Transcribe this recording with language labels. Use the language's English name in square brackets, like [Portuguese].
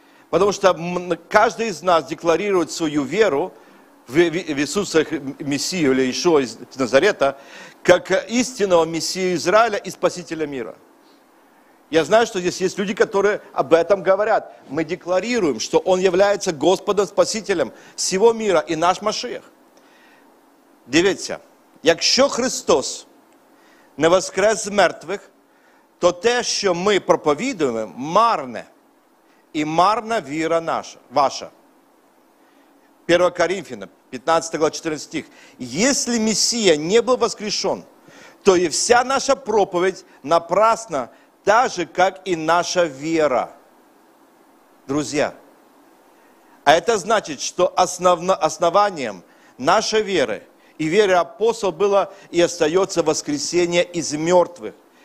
[Russian] Потому что каждый из нас декларирует свою веру в Иисуса Мессию или Иешуа из Назарета, как истинного Мессию Израиля и Спасителя мира. Я знаю, что здесь есть люди, которые об этом говорят. Мы декларируем, что Он является Господом, Спасителем всего мира и наш Машиах. [Ukrainian] Дивіться, якщо Христос не воскрес з мертвих, то те, що ми проповідуємо, марне, і марна віра наша, ваша. [Russian] 1 Коринфянам, 15 глава, 14 стих. Если Мессия не был воскрешен, то и вся наша проповедь напрасна, так же, как и наша вера. Друзья, а это значит, что основанием нашей веры и веры апостола было и остается воскресение из мертвых.